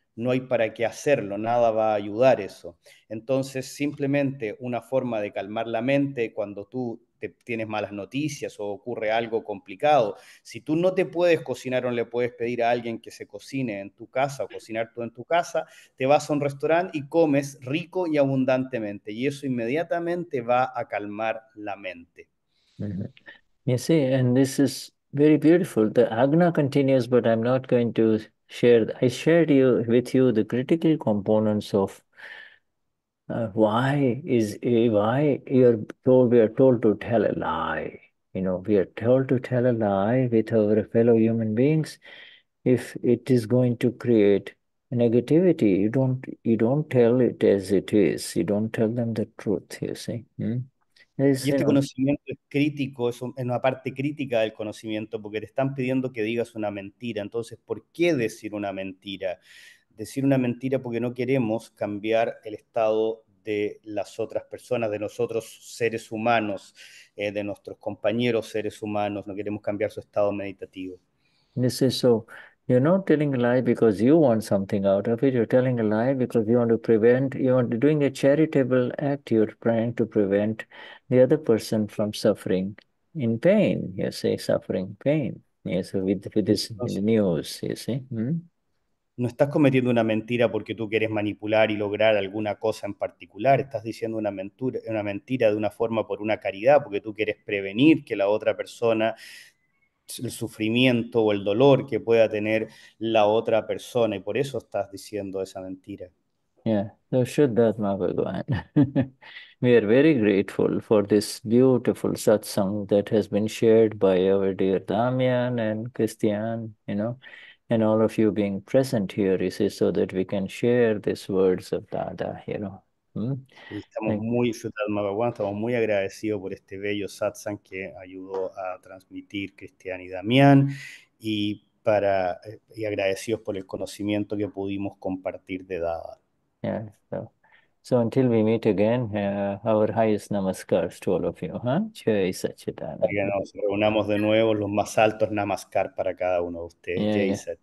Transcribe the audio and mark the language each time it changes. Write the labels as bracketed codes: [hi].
[es] No hay para qué hacerlo, nada va a ayudar eso. Entonces, simplemente una forma de calmar la mente cuando tú tienes malas noticias o ocurre algo complicado. Si tú no te puedes cocinar o le puedes pedir a alguien que se cocine en tu casa o cocinar tú en tu casa, te vas a un restaurante y comes rico y abundantemente. Y eso inmediatamente va a calmar la mente. [en] You see, and this is very beautiful. The Agna continues, but I'm not going to share. I shared with you the critical components of why we are told to tell a lie. You know, we are told to tell a lie with our fellow human beings if it is going to create negativity. You don't tell it as it is. You don't tell them the truth, you see. There's, [es] Y [en] you [es] este [en] know. [es] conocimiento es crítico, es una parte crítica del conocimiento, porque te están pidiendo que digas una mentira. Entonces, ¿por qué decir una mentira? Decir una mentira porque no queremos cambiar el estado de las otras personas, de nosotros seres humanos, de nuestros compañeros seres humanos, no queremos cambiar su estado meditativo. [en] This is so, you're not telling a lie because you want something out of it. You're telling a lie because you want to prevent, you want to doing a charitable act. You're trying to prevent the other person from suffering in pain. You say suffering pain. Yes, with this news, you see. [es] No estás cometiendo una mentira porque tú quieres manipular y lograr alguna cosa en particular. Estás diciendo una mentira de una forma por una caridad, porque tú quieres prevenir que la otra persona, el sufrimiento o el dolor que pueda tener la otra persona, y por eso estás diciendo esa mentira. [en] Yeah, so should that Bhagavan. We are very grateful for this beautiful satsang that has been shared by our dear Damian and Cristian, you know, and all of you being present here, you see, so that we can share these words of Dada, you know. Thank you. [es] Estamos muy agradecidos por este bello satsang que ayudó a transmitir Cristian y Damián, y agradecidos por el conocimiento que pudimos compartir de Dada. [en] Yeah, so until we meet again, our highest namaskars to all of you, huh? [es] Que [hi] Jai [es] nos reunamos de nuevo los más altos namaskar para cada uno de ustedes.